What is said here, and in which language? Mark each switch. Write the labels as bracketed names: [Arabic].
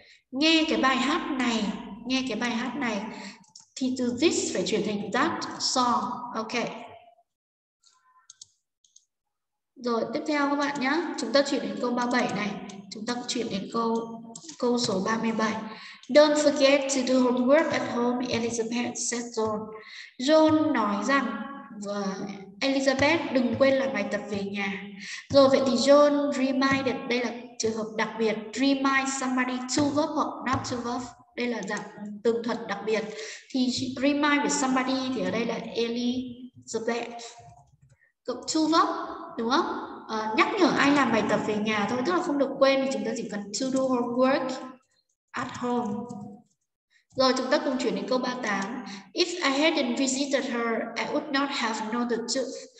[Vietnamese] Nghe cái bài hát này, nghe cái bài hát này thì từ this phải chuyển thành [English] that song. [Vietnamese] Ok. Rồi, tiếp theo các bạn nhé. Chúng ta chuyển đến câu 37 này. Chúng ta chuyển đến câu câu số 37. [English] Don't forget to do homework at home, Elizabeth said John. [Vietnamese] John nói rằng Elizabeth đừng quên làm bài tập về nhà. Rồi vậy thì [English] John reminded, [Vietnamese] đây là trường hợp đặc biệt, remind somebody to verb hoặc not to verb, đây là dạng tường thuật đặc biệt. Thì remind with somebody thì ở đây là Elizabeth cộng to verb, đúng không? Nhắc nhở ai làm bài tập về nhà thôi, tức là không được quên thì chúng ta chỉ cần [English] to do homework at home. [Vietnamese] Rồi chúng ta cùng chuyển đến câu 38. [English] If I hadn't visited her, I would not have known the truth.